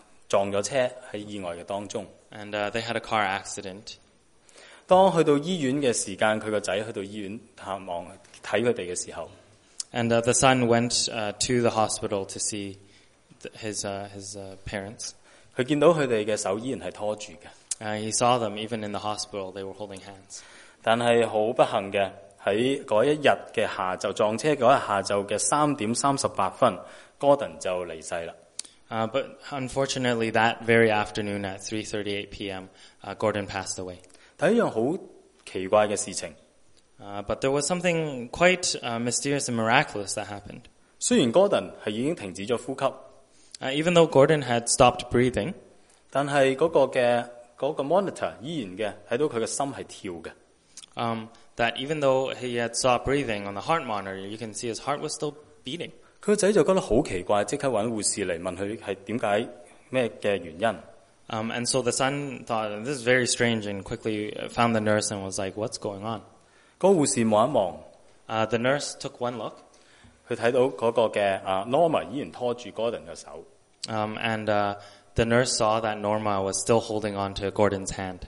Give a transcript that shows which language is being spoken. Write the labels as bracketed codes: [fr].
[zh] 而他们就撞了车在意外的当中。 [en] And they had a car accident. [zh] 当去到医院的时间，他的儿子去到医院探望看他们的时候， [en] And the son went to the hospital to see his parents. [zh] 他见到他们的手依然是拖着的。 [en] He saw them even in the hospital, they were holding hands. [zh] 但是很不幸的，在那一天的下午，撞车那天下午的3:38, Gordon 就离世了。 [en] But unfortunately, that very afternoon at 3:38 p.m., Gordon passed away. [zh] 但一件很奇怪的事情， [en] But there was something quite mysterious and miraculous that happened. [zh] 雖然Gordon已經停止了呼吸, [en] even though Gordon had stopped breathing, [zh] 但是那個monitor依然的,在他的心是跳的。 [en] That even though he had stopped breathing on the heart monitor, you can see his heart was still beating. [zh] 他兒子就覺得很奇怪,立刻找護士來問他是為什麼原因。 [en] And so the son thought, this is very strange, and quickly found the nurse and was like, what's going on? [zh] 那個護士看一看, [en] the nurse took one look. [zh] 他看到那個Norma依然拖著Gordon的手。 [en] The nurse saw that Norma was still holding on to Gordon's hand.